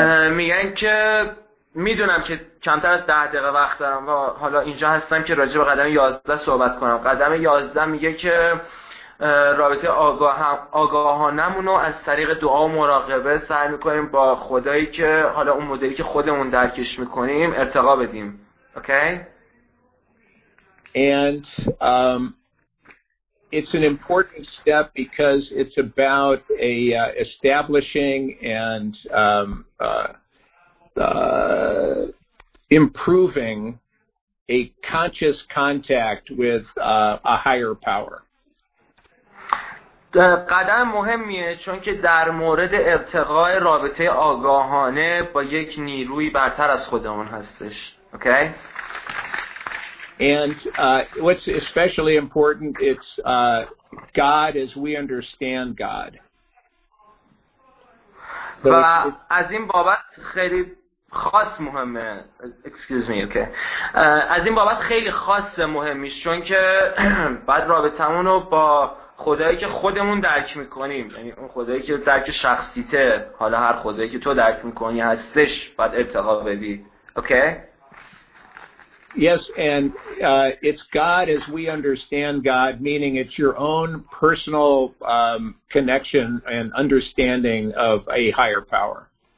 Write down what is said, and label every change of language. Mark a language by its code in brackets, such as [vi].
[fa] میگن که میدونم که کمتر از 10 دقیقه وقت دارم و حالا اینجا هستم که راجع به قدم 11 صحبت کنم. قدم 11 میگه که رابطه آگاهانمونو از طریق دعا و مراقبه سعی میکنیم با خدایی که حالا اون مدلی که خودمون درکش میکنیم ارتقا بدیم. [en] Okay? And it's an important step because it's about a establishing and improving a conscious contact with a higher power. [fa] قدم مهمیه چون که در مورد ارتقای رابطه آگاهانه با یک نیروی برتر از خودمون هستش. [en] Okay? And what's especially important, it's God as we understand God. [fa] و از این بابت خیلی خاص مهمه. [en] Excuse me. Okay. [fa] از این بابت خیلی خاص مهمیش چون که بعد رابطمونو با خدایی که خودمون درک میکنیم، یعنی اون خدایی که درک شخصیته، حالا هر خدایی که تو درک میکنی هستش، باید ارتقا بدی. [en] Okay? Yes, and it's God as we understand God, meaning it's your own personal connection and understanding of a higher power.